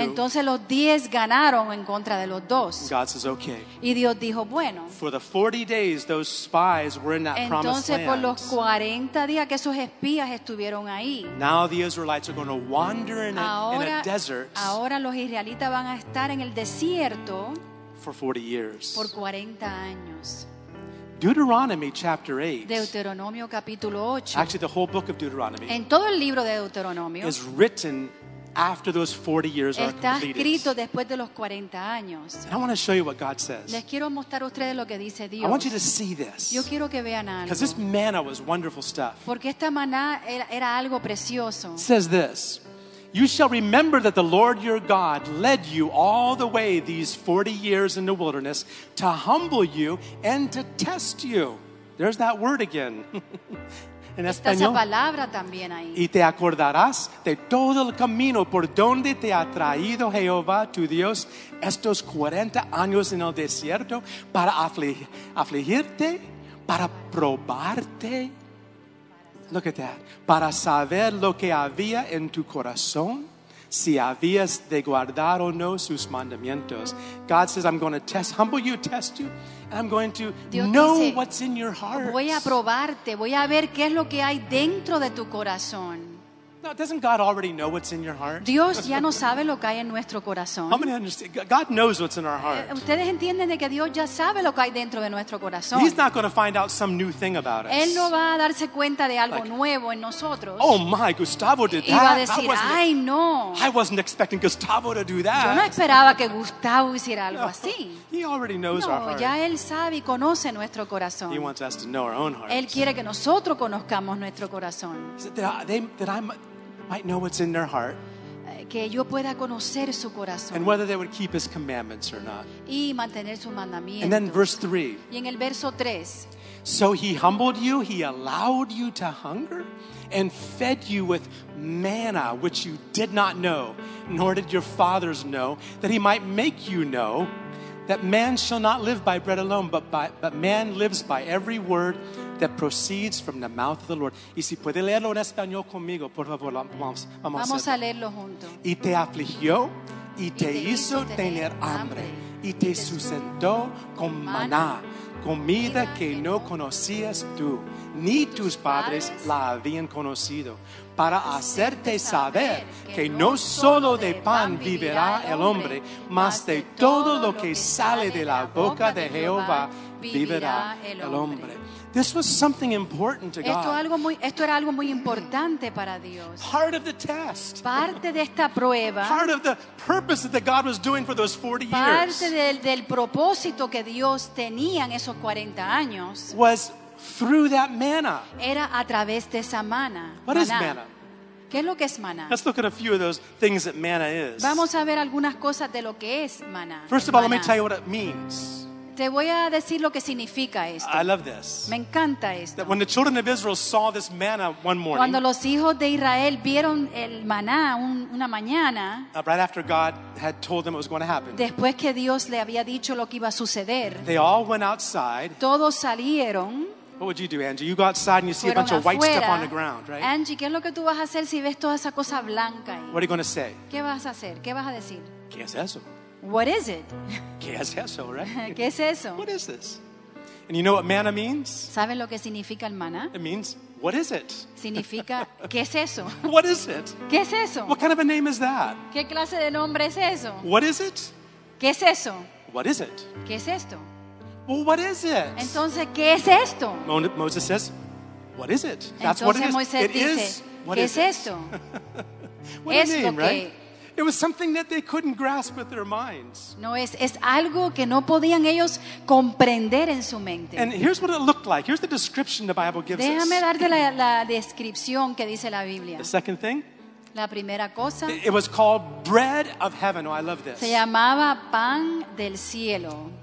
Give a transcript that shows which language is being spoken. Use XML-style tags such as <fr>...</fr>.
<es>Entonces los 10 ganaron en contra de los dos.</es> <en>God says, okay.</en> <es>Y Dios dijo, bueno.</es> <en>For the 40 days, those spies were in that</en> <es>entonces,</es> <en>promised land.</en> <es>Entonces por los 40 días que esos espías estuvieron ahí.</es> <en>Now the Israelites are going to wander in a desert.</en> <es>Ahora los israelitas van a estar en el desierto</es> <en>for 40 years.</en> <es>Por 40 años.</es> <en>Deuteronomy chapter 8.</en> <es>Deuteronomio capítulo 8.</es> <en>Actually the whole book of Deuteronomy.</en> <es>En todo el libro de Deuteronomio.</es> <en>Is written after those 40 years are completed.</en> <es>Está escrito después de los 40 años.</es> <en>And I want to show you what God says.</en> <es>Les quiero mostrar a ustedes lo que dice Dios.</es> <en>I want you to see this.</en> <es>Yo quiero que vean algo.</es> <en>Because this manna was wonderful stuff.</en> <es>Porque esta maná era algo precioso.</es> <en>It says this. You shall remember that the Lord your God led you all the way these 40 years in the wilderness to humble you and to test you. There's that word again.</en> <es>en español. Esa palabra también ahí. Y te acordarás de todo el camino por donde te ha traído Jehová tu Dios estos 40 años en el desierto para afligirte, para probarte.</es> <en>Look at that.</en> <es>Para saber lo que había en tu corazón, si habías de guardar o no sus mandamientos.</es> <en>God says, I'm going to test you. I'm going to know what's in your heart.</en> <es>Voy a probarte, voy a ver qué es lo que hay dentro de tu corazón.</es> <en>Now, doesn't God already know what's in your heart?</en> <es>Dios ya no sabe lo que hay en nuestro corazón.</es> <en>How many understand? God knows what's in our heart.</en> <es>Ustedes entienden de que Dios ya sabe lo que hay dentro de nuestro corazón.</es> <en>He's not going to find out some new thing about us.</en> <es>Él no va a darse cuenta de algo nuevo en nosotros.</es> <en>Oh my, Gustavo did that.</en> <es>Y va a decir, ay no.</es> <en>I wasn't expecting Gustavo to do that.</en> <es>Yo no esperaba que Gustavo hiciera algo así.</es> <en>He already knows our heart.</en> <es>Ya él sabe y conoce nuestro corazón.</es> <en>He wants us to know our own hearts.</en> <es>Él quiere que nosotros conozcamos nuestro corazón.</es> <en>Might know what's in their heart.</en> <es>Que yo pueda conocer su corazón.</es> <en>And whether they would keep his commandments or not.</en> <es>Y mantener sus mandamientos.</es> <en>And then verse 3.</en> <es>Y en el verso 3.</es> <en>So he humbled you, he allowed you to hunger, and fed you with manna, which you did not know, nor did your fathers know, that he might make you know that man shall not live by bread alone, but man lives by every word that proceeds from the mouth of the Lord.</en> <es>Y si puede leerlo en español conmigo, por favor, vamos a leerlo juntos. Y te afligió, y te hizo tener hambre, y te sustentó con maná, comida que no conocías tú, ni tus padres la habían conocido, para hacerte saber que no solo de pan vivirá el hombre, mas de todo lo que sale de la boca de Jehová vivirá el hombre.</es> <en>This was something important to God.</en> <es>Esto era algo muy importante para Dios.</es> <en>Part of the test.</en> <es>Parte de esta prueba.</es> <en>Part of the purpose that God was doing for those 40 years.</en> <es>Parte del propósito que Dios tenía en esos 40 años.</es> <en>Was through that manna.</en> <es>Era a través de esa manna.</es> <en>What is manna?</en> <es>¿Qué es lo que es maná?</es> <en>Let's look at a few of those things that manna is.</en> <es>Vamos a ver algunas cosas de lo que es maná.</es> <en>First of all, let me tell you what it means.</en> <es>Te voy a decir lo que significa esto.</es> <en>I love this.</en> <es>Me encanta esto.</es> <en>That when the children of Israel saw this manna one morning.</en> <es>Cuando los hijos de Israel vieron el maná una mañana.</es> <en>Right after God had told them it was going to happen.</en> <es>Después que Dios le había dicho lo que iba a suceder.</es> <en>They all went outside.</en> <es>Todos salieron.</es> <en>What would you do, Angie? You go outside and you see a bunch</en> <es>afuera,</es> <en>of white stuff on the ground, right?</en> <es>Angie, ¿qué es lo que tú vas a hacer si ves toda esa cosa blanca ahí?</es> <en>What are you going to say?</en> <es>¿Qué vas a hacer? ¿Qué vas a decir? ¿Qué es eso?</es> <en>What is it?</en> <es>¿Qué es eso, right? ¿Qué es eso?</es> <en>What is this? And you know what manna means?</en> <es>¿Sabes lo que significa el maná?</es> <en>It means, what is it?</en> <es>Significa, ¿qué es eso?</es> <en>What is it?</en> <es>¿Qué es eso?</es> <en>What kind of a name is that?</en> <es>¿Qué clase de nombre es eso?</es> <en>What is it?</en> <es>¿Qué es eso?</es> <en>What is it?</en> <es>¿Qué es esto?</es> <en>Well, what is it?</en> <es>Entonces, ¿qué es esto?</es> <en>Moses says, what is it? That's what it is. It is. What is</en> <es>esto?</es> <en>What a name, right? It was something that they couldn't grasp with their minds.</en> <es>No, es algo que no podían ellos comprender en su mente.</es> <en>And here's what it looked like. Here's the description the Bible gives us.</en> <es>Déjame darte la descripción que dice la Biblia.</es> <en>The second thing.</en> <es>La primera cosa.</es> <en>It was called bread of heaven. Oh, I love this.</en> <es>Se llamaba pan del cielo.</es>